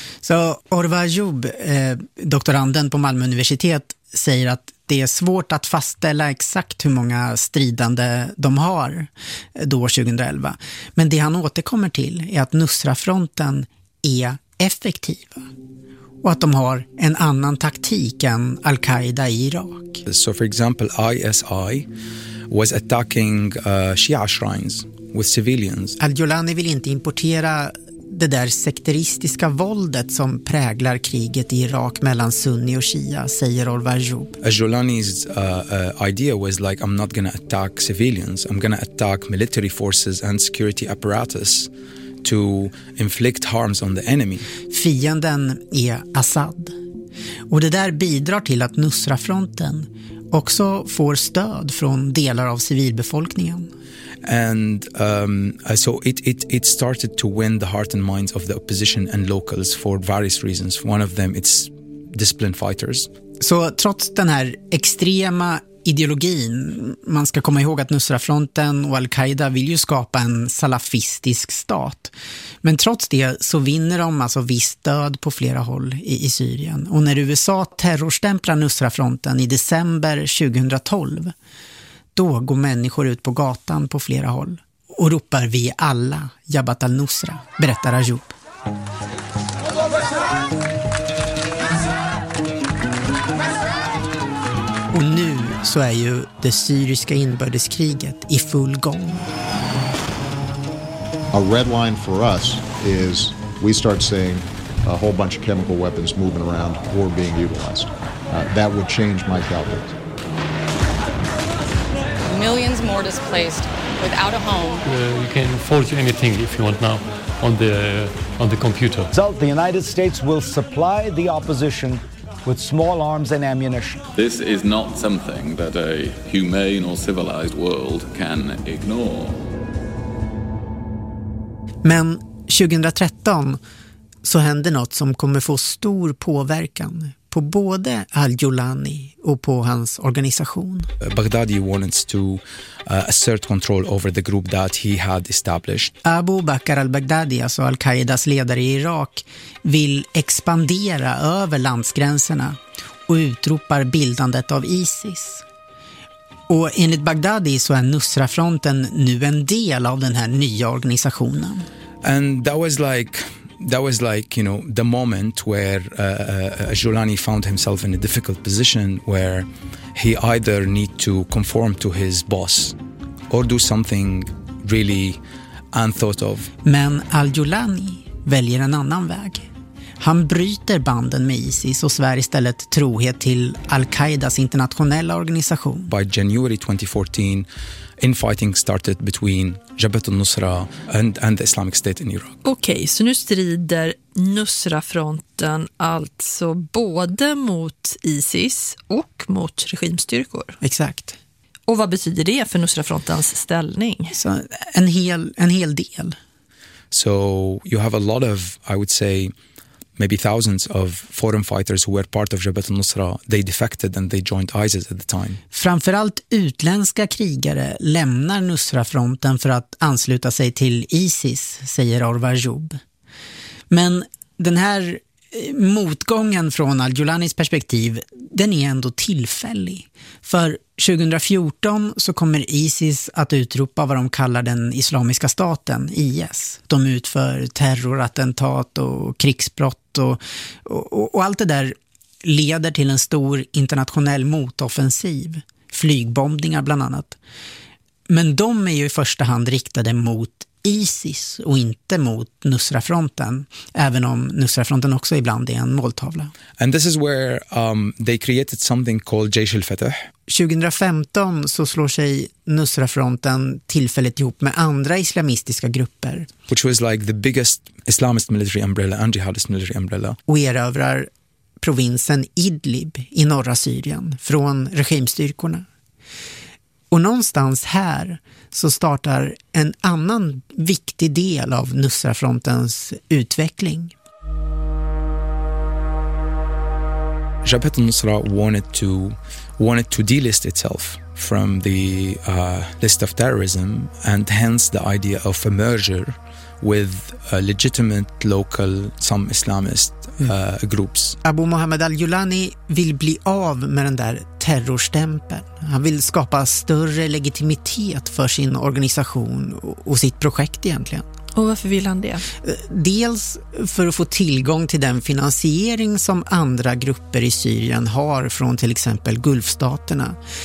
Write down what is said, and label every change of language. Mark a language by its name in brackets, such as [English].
[Swedish] Så Orva Jobb, doktoranden på Malmö universitet, säger att det är svårt att fastställa exakt hur många stridande de har då 2011. Men det han återkommer till är att Nusra-fronten är effektiva och att de har en annan taktik än Al-Qaida i Irak. [English] So for example, ISI was attacking Shia shrines with civilians. [Swedish] Al-Jolani vill inte importera det där sekteristiska våldet som präglar kriget i Irak mellan sunni och shia, säger Orvar Job. [English] Al-Jolani's idea was like, I'm not gonna attack civilians, I'm gonna attack military forces and security apparatus to inflict harms on the enemy. [Swedish] Fienden är Assad. Och det där bidrar till att Nusra-fronten också får stöd från delar av civilbefolkningen. [English] And so it started to win the heart and minds of the opposition and locals for various reasons. One of them, it's disciplined fighters. [Swedish] Så trots den här extrema ideologin, man ska komma ihåg att Nusra-fronten och Al-Qaida vill ju skapa en salafistisk stat. Men trots det så vinner de alltså visst stöd på flera håll i Syrien. Och när USA terrorstämplar Nusra-fronten i december 2012, då går människor ut på gatan på flera håll och ropar vi alla Jabhat al-Nusra, berättar Ayub. Och nu så är ju det syriska inbördeskriget i full gång. [English] A red line for us is we start seeing a whole bunch of chemical weapons moving around or being utilized. That would change my calculus. Millions more displaced without a home. You can forge anything if you want now on the computer. So the United States will supply the opposition with small arms and ammunition. This is not something that a humane or civilized world can ignore. [Swedish] Men 2013 så hände något som kommer få stor påverkan på både Al-Jolani och på hans organisation. [English] Baghdadi wants to assert control over the group that he had established. [Swedish] Abu Bakr al-Baghdadi, alltså Al-Qaidas ledare i Irak, vill expandera över landsgränserna och utropar bildandet av ISIS. Och enligt Baghdadi så är Nusra-fronten nu en del av den här nya organisationen. [English] And that was like, you know, the moment where Jolani found himself in a difficult position where he either need to conform to his boss or do something really unthought of. [Swedish] Men Al-Jolani väljer en annan väg. Han bryter banden med ISIS och svär istället trohet till Al-Qaidas internationella organisation. [English] By January 2014, infighting started between Jabhat al-Nusra and the Islamic State in Iraq. [Swedish] Okej, så nu strider Nusra-fronten alltså både mot ISIS och mot regimstyrkor. Exakt. Och vad betyder det för Nusra-frontens ställning? Så en hel del. [English] So you have a lot of, I would say, maybe thousands of foreign fighters who were part of Jabhat al-Nusra, they defected and they joined ISIS at the time. [Swedish] Framförallt utländska krigare lämnar Nusra-fronten för att ansluta sig till ISIS, säger Orvar Job. Men den här motgången från Al-Jolanis perspektiv, den är ändå tillfällig. För 2014 så kommer ISIS att utropa vad de kallar den islamiska staten, IS. De utför terrorattentat och krigsbrott och allt det där leder till en stor internationell motoffensiv. Flygbombningar bland annat. Men de är ju i första hand riktade mot ISIS och inte mot Nusra-fronten, även om Nusra-fronten också ibland är en måltavla. [English] And this is where they created something called Jaysh al-Fatah. [Swedish] 2015 så slår sig Nusra-fronten tillfälligt ihop med andra islamistiska grupper, [English] which was like the biggest Islamist military umbrella and jihadist military umbrella. [Swedish] Och erövrar provinsen Idlib i norra Syrien från regimstyrkorna. Och någonstans här så startar en annan viktig del av Nusra-frontens utveckling. [English] Jabhat al-Nusra wanted to delist itself from the list of terrorism, and hence the idea of a merger with a legitimate local, some Islamist groups. [Swedish] Abu Mohammed al-Julani vill bli av med den där terrorstämpeln. Han vill skapa större legitimitet för sin organisation och sitt projekt egentligen. Och varför vill han det? Dels för att få tillgång till den finansiering som andra grupper i Syrien har från till exempel Gulfstaterna.